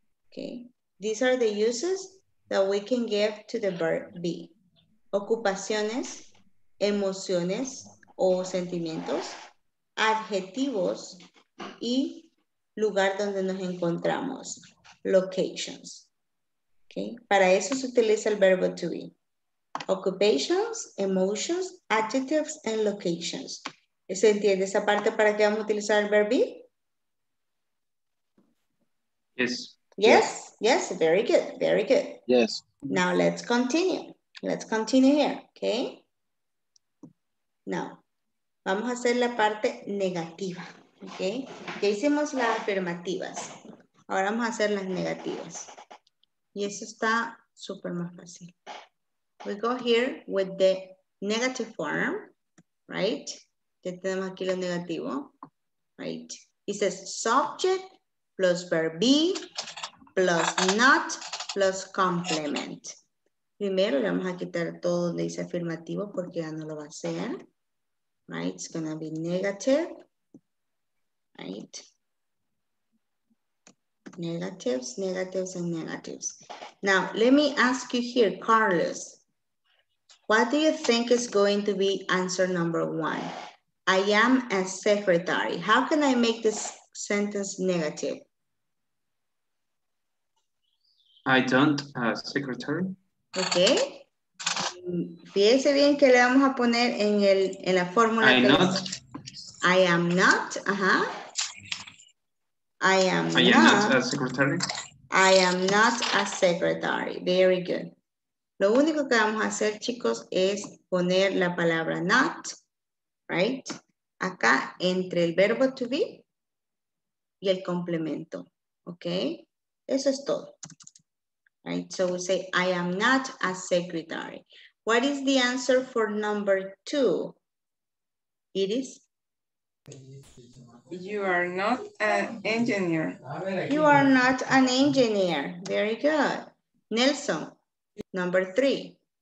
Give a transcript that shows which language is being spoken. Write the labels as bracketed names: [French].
[English] Okay, these are the uses that we can give to the verb be. [Spanish] Ocupaciones, emociones o sentimientos, adjetivos y lugar donde nos encontramos, locations. Okay, para eso se utiliza el verbo to be. [English] Occupations, emotions, adjectives and locations. [Spanish] ¿Se entiende esa parte para qué vamos a utilizar el verbo be? [English] Yes. Yes, yes, very good, very good. Yes. Now let's continue. Let's continue here, okay? Now, [Spanish] vamos a hacer la parte negativa, okay? Ya hicimos las afirmativas. Ahora vamos a hacer las negativas. Y eso está súper más fácil. We go here with the negative form, right? Ya tenemos aquí lo negativo, [English] right? It says subject plus verb be, plus not, plus complement. [Spanish] Primero le vamos a quitar todo donde dice afirmativo porque ya no lo va a hacer. [English] Right, it's gonna be negative. Right. Negatives, negatives, and negatives. Now, let me ask you here, Carlos. What do you think is going to be answer number one? I am a secretary. How can I make this sentence negative? I don't have a secretary. Okay. [Spanish] Fíjense bien que le vamos a poner en el en la fórmula. [English] I not. Es, I am not. Ajá. I am I not. I am not a secretary. I am not a secretary. Very good. [Spanish] Lo único que vamos a hacer, chicos, es poner la palabra not, [English] right? [Spanish] Acá entre el verbo to be y el complemento. Okay. Eso es todo. [English] Right, so we say, I am not a secretary. What is the answer for number two? It is? You are not an engineer. You are not an engineer. Very good. Nelson, number three.